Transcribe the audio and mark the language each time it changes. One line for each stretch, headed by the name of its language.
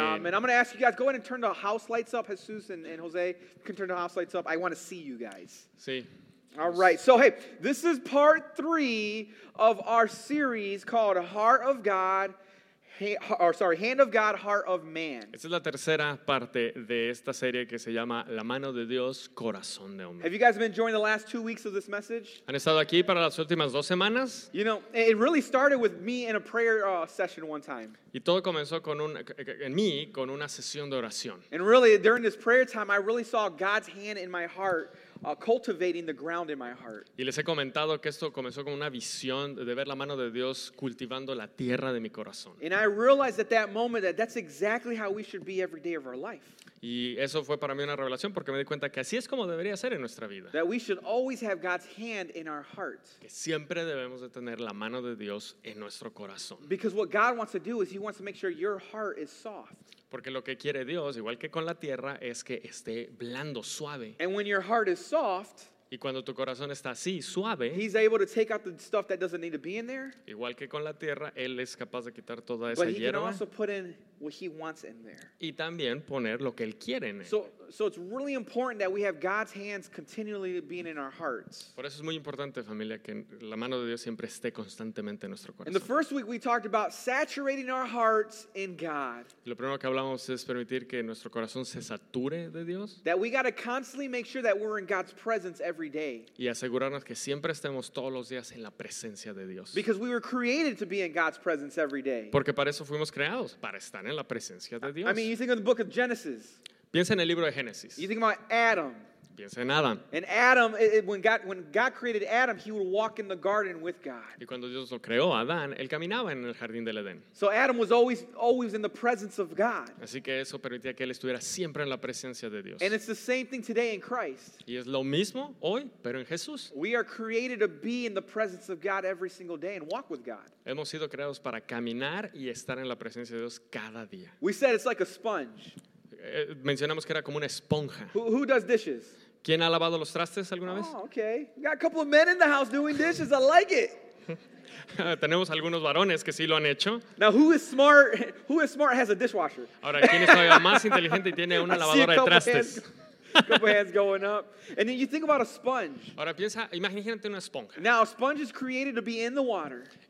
English: And I'm going to ask you guys, go ahead and turn the house lights up. Jesus and Jose can turn the house lights up. I want to see you guys. See. All right. So, hey, this is part three of our series called Heart of God. Hand of God, heart of man.
Spanish: Esta es la tercera parte de esta serie que se llama La mano de Dios, corazón de hombre.
English: Have you guys been enjoying the last 2 weeks of this message?
Spanish: ¿Han estado aquí para las últimas dos semanas?
English: You know, it really started with me in a prayer session one time.
Spanish: Y todo comenzó con una sesión de oración.
English: And really, during this prayer time, I really saw God's hand in my heart. Cultivating the ground in my heart.
Spanish: Y les he comentado que esto comenzó con una visión de ver la mano de Dios cultivando la tierra de mi corazón.
English: And I realized at that moment that that's exactly how we should be every day of our life.
Spanish: Y eso fue para mí una revelación porque me di cuenta que así es como debería ser en nuestra vida.
English: That we should always have God's hand in our heart.
Spanish: Que siempre debemos de tener la mano de Dios en nuestro corazón.
English: Because what God wants to do is He wants to make sure your heart is soft.
Spanish: Porque lo que quiere Dios, igual que con la tierra, es que esté blando, suave.
English: And when your heart is soft,
Spanish: y cuando tu corazón está así, suave,
English: He's able to take out the stuff that doesn't need to be in there.
Spanish: Igual que con la tierra, Él es capaz de quitar toda esa hierba.
English: But He can also put in what He wants in there.
Spanish: Y también poner lo que Él quiere en él.
English: So it's really important that we have God's hands continually being in our hearts.
Spanish: Por eso es muy importante, familia, que la mano de Dios siempre esté constantemente en nuestro corazón.
English: In the first week we talked about saturating our hearts in God.
Spanish: Lo primero que hablamos es permitir que nuestro corazón se sature de Dios.
English: That we got to constantly make sure that we're in God's presence every day.
Spanish: Y asegurarnos que siempre estemos todos los días en la presencia de Dios.
English: Because we were created to be in God's presence every day.
Spanish: Porque para eso fuimos creados, para estar en la presencia de Dios.
English: I mean, you think of the book of Genesis.
Spanish: Piensa en el libro de Génesis.
English: You think about Adam.
Spanish: Piensa en Adam.
English: And Adam, when God created Adam, he would walk in the garden with God.
Spanish: Y cuando Dios lo creó, Adán, él caminaba en el jardín del Edén.
English: So Adam was always in the presence of God.
Spanish: Así que eso permitía que él estuviera siempre en la presencia de Dios.
English: And it's the same thing today in Christ.
Spanish: Y es lo mismo hoy, pero en Jesús.
English: We are created to be in the presence of God every single day and walk with God.
Spanish: Hemos sido creados para caminar y estar en la presencia de Dios cada día.
English: We said it's like a sponge.
Spanish: Mencionamos que era como una esponja.
English: Who does dishes?
Spanish: ¿Quién ha lavado los trastes alguna vez?
English: Oh, okay. We got a couple of men in the house doing dishes. I like it.
Spanish: Tenemos algunos varones que sí lo han hecho.
English: Now who is smart? Who is smart has a dishwasher?
Spanish: Ahora, ¿quién es todavía más inteligente y tiene una lavadora de trastes?
English: Couple hands going up. And then you think about a sponge.
Spanish: Ahora piensa, imagínate una esponja.
English: Now a sponge is created to be in the water.